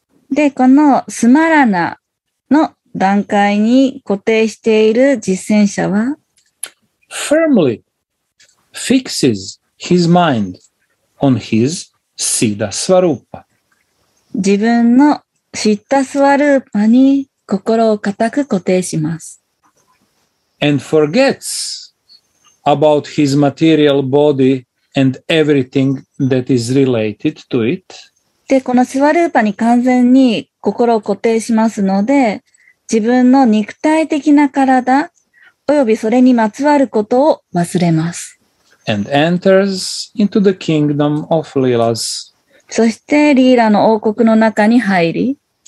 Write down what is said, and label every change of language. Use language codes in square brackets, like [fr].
[ja] で、このスマラナの段階に固定している実践者は [en] Firmly fixes his mind on his Siddha Swarupa. [ja] 自分のシッタスワルーパに心を固く固定します。 [en] And forgets about his material body and everything that is related to it. [ja] で、このスワルーパに完全に心を固定しますので、自分の肉体的な体およびそれにまつわることを忘れます。 [en] And enters into the kingdom of Leelas. [ja] そしてリーラの王国の中に入り、